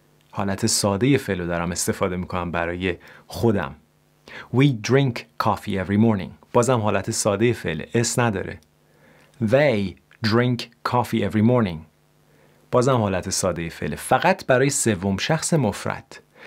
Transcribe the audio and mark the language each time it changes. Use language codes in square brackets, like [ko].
[fa] حالت ساده فعل دارم استفاده می کنم برای خودم. [en] We drink coffee every morning. [fa] بازم حالت ساده فعل، اس نداره. [en] They drink coffee every morning. [fa] بازم حالت ساده فعل، فقط برای سوم شخص مفرد.